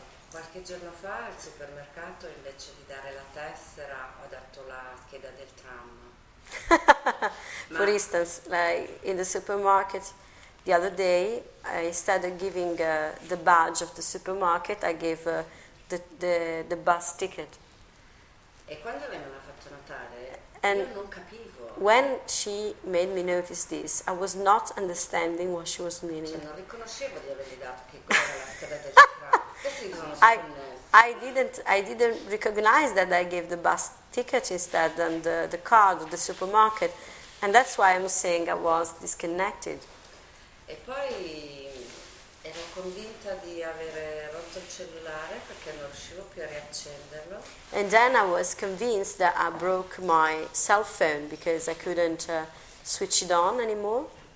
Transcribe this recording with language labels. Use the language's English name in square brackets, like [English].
[Italian] Qualche giorno fa al supermercato invece di dare la tessera ho dato la scheda del tram. [English] For instance, like in the supermarket the other day, instead of giving the badge of the supermarket, I gave the bus ticket. [Italian] E quando lei me l'ha fatto notare, and io non capivo. [English] When she made me notice this, I was not understanding what she was meaning. [Italian] Cioè, non riconoscevo di avergli dato che quella era la scheda del tram. [English] I didn't recognize that I gave the bus ticket instead and the card of the supermarket, and that's why I'm saying I was disconnected. [Italian] E poi ero convinta di avere rotto il cellulare perché non riuscivo più a riaccenderlo. [English] And then I was convinced that I broke my cell phone because I couldn't switch it on anymore.